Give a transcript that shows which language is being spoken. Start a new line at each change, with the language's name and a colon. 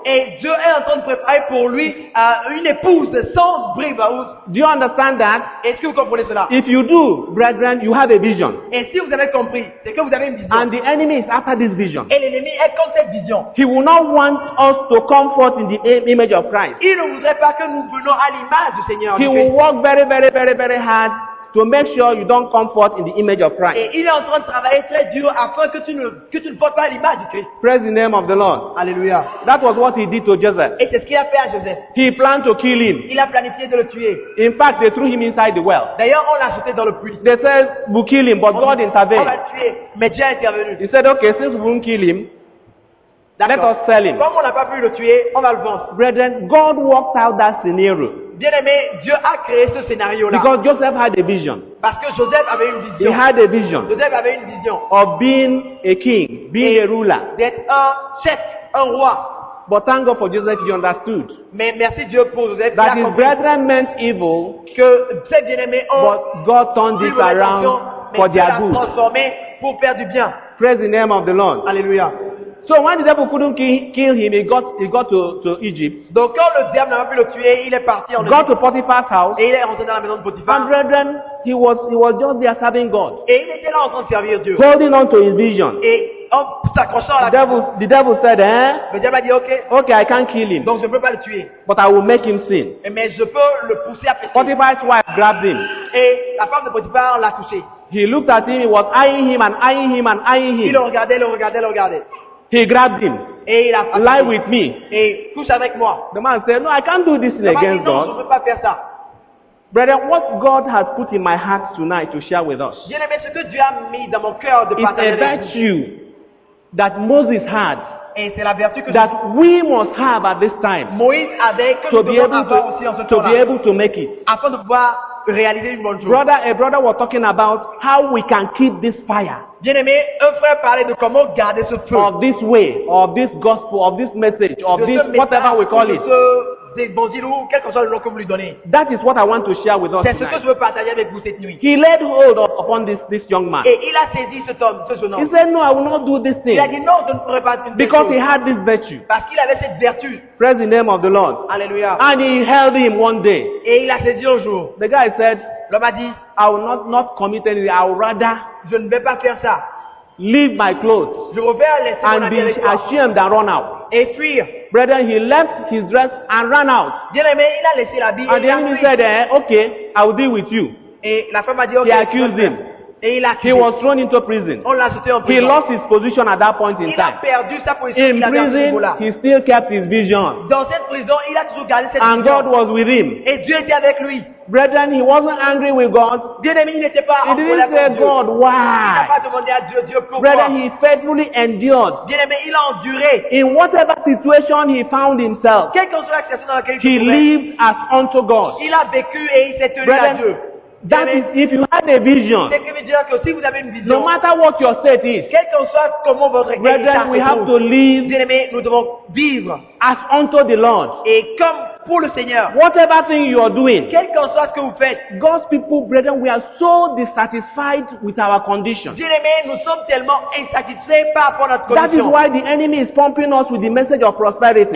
French: Et Dieu est en train de préparer pour lui une épouse sans bride.
English: Do you understand that?
French: Est-ce que vous comprenez cela?
English: If you do, brethren, you have a vision.
French: Et si vous avez compris, c'est que vous avez une vision.
English: And the enemy is after this vision.
French: Et l'ennemi est contre cette vision.
English: He will not want us to come forth in the image of Christ.
French: Il ne voudrait pas que nous venions à l'image du Seigneur.
English: He will work very, very, very, very hard. To make sure you don't come forth in the image of Christ.
French: Et il est en train de travailler très dur afin que tu ne portes pas l'image du Christ.
English: Praise the name of the Lord.
French: Alléluia.
English: That was what he did to Joseph.
French: Et c'est ce qu'il a fait à Joseph.
English: He planned to kill him.
French: Il a planifié de le tuer.
English: In fact, they threw him inside the well.
French: D'ailleurs, on l'a jeté dans le puits.
English: They said, we'll kill him, but God intervened.
French: On va le tuer, mais Dieu est intervenu.
English: He said, okay, since we won't kill him, Let us sell him.
French: Comme on n'a pas pu le tuer, on va le vendre.
English: Brethren, God worked out that scenario.
French: Bien aimé, Dieu a créé ce scénario-là.
English: Because Joseph had a vision.
French: Parce que Joseph avait une vision.
English: He had a vision.
French: Joseph avait une vision.
English: Of being a king, being a ruler.
French: D'être un chef, un roi.
English: But thank God for Joseph, he understood.
French: Mais merci Dieu pour Joseph.
English: That his brethren meant evil.
French: Que ses bien-aimés ont.
English: But God turned this around for their good.
French: Mais il a transformé pour faire du bien.
English: Praise the name of the Lord.
French: Alléluia.
English: So when the devil couldn't kill him, he got to Egypt.
French: Donc quand le diable n'a pas pu le tuer, il est parti en Égypte.
English: To Potiphar's house.
French: Et il est rentré dans la maison de Potiphar.
English: And brethren, he was just there serving God.
French: Et il était là en train de servir Dieu.
English: Holding on to his vision.
French: Et en s'accrochant à la
English: vision. The devil said, eh?
French: Le diable a dit,
English: okay, I can't kill him.
French: Donc je ne peux pas le tuer.
English: But I will make him sin.
French: Mais je peux le pousser à pécher.
English: Potiphar's wife grabbed him.
French: Et la femme de Potiphar l'a touché.
English: He looked at him, he was eyeing him and eyeing him and eyeing him.
French: Il le regardait, le regardait, le regardait.
English: He grabbed him.
French: Et il a
English: frappé. Lie with me.
French: Et couche avec moi.
English: The man said, no, I can't do this thing against
French: dit, non, Je ne peux pas faire ça.
English: Brother, what God has put in my heart tonight to share with us.
French: Bien-aimé, ce que Dieu a mis dans mon cœur de partager avec vous.
English: It's a virtue that Moses had.
French: Et c'est la vertu que
English: that we must have at this time.
French: Moïse avait que nous devons avoir aussi en ce temps-là.
English: To be able to make it.
French: Afin de pouvoir réaliser une bonne chose.
English: A brother was talking about how we can keep this fire.
French: Bien-aimé, un frère parlait de comment garder ce feu.
English: Of this way, of this gospel, of this message, of this whatever we call it.
French: De ce bonjour ou quelque chose que vous lui donnez.
English: That is what I want to share with us.
French: C'est ce que je veux partager avec vous cette nuit.
English: He laid hold upon this young man.
French: Et il a saisi cet homme, ce jeune homme.
English: He said, no, I will not do this thing.
French: Il a dit non, je ne ferai pas cette chose.
English: Because he had this virtue.
French: Parce qu'il avait cette vertu.
English: Praise the name of the Lord.
French: Alléluia.
English: And he held him one day.
French: Et il a saisi un jour.
English: The guy said,
French: l'homme a dit,
English: I will not commit anything. I would rather.
French: Je ne vais pas faire ça.
English: Leave my clothes.
French: Je vais laisser
English: and
French: mon
English: be ashamed and run out.
French: Et fuir.
English: Brethren, he left his dress and ran out.
French: Bien-aimé, il a laissé la vie.
English: And the enemy said, okay, I will deal with you.
French: Et la femme a dit, okay,
English: he accused him.
French: Et il a accusé.
English: He was thrown into prison.
French: On l'a jeté en prison.
English: He lost his position at that point in time.
French: A perdu sa position
English: in prison, he still kept his vision.
French: Dans cette prison, il a toujours gardé cette
English: and
French: vision.
English: God was with him.
French: Et Dieu était avec lui.
English: Brethren, he wasn't angry with God.
French: Bien-aimé, il n'était pas
English: he didn't say, God, why?
French: Il n'a pas demandé à Dieu, Dieu pourquoi?
English: Brethren, he faithfully endured.
French: Bien-aimé, il a enduré.
English: In whatever situation he found himself,
French: quelle que soit la situation dans laquelle
English: he lived as unto God.
French: Il a vécu et il s'est tenu à Dieu.
English: That is, if you had a vision,
French: si vous avez une vision,
English: no matter what your state is, brethren, we have to live as unto the Lord.
French: Et comme pour le Seigneur,
English: whatever thing you are doing,
French: quel que soit ce que vous faites,
English: God's people, brethren, we are so dissatisfied with our condition.
French: Nous sommes tellement insatisfaits par rapport à notre condition.
English: That is why the enemy is pumping us with the message of prosperity.